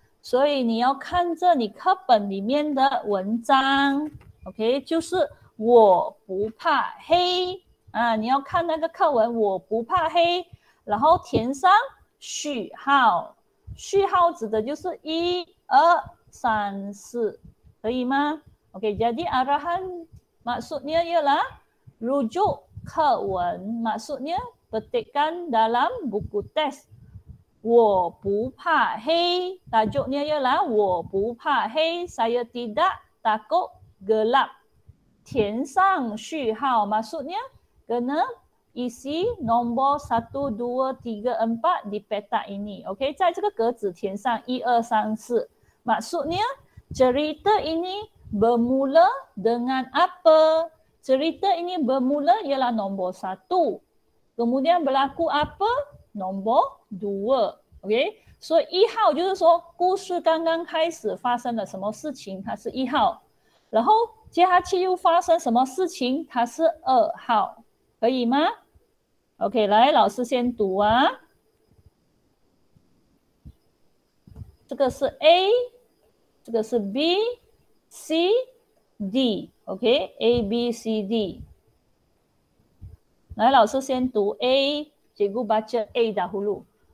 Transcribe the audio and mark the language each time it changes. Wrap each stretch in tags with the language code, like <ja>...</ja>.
<zh>所以你要看着你课本里面的文章， OK， 就是我不怕黑啊，你要看那个课文我不怕黑，然后填上序号，序号指的就是一二三四，可以吗？</zh> <ms>OK， jadi arahan maksudnya ialah rujuk 课文， maksudnya petikkan dalam buku teks。</ms> <zh>我不怕黑，</zh> <ms>tajuknya ialah 我不怕黑， saya tidak takut gelap.</ms> <zh>填上序号</zh> <ms>maksudnya kena isi nombor 1 2 3 4 di petak ini.</ms> <zh>Okey, 在这个格子填上 1 2 3 4.</zh> <ms>Maksudnya cerita ini bermula dengan apa? Cerita ini bermula ialah nombor 1. Kemudian berlaku apa? Nombor 2.</ms> <zh>Okay, 所以一号就是说故事刚刚开始发生了什么事情，它是一号，然后接下去又发生什么事情，它是二号，可以吗？ OK， 来老师先读啊，这个是 A， 这个是 B， C， D， OK， A， B， C， D， 来老师先读 A， 结果 baca A 的葫芦。</zh>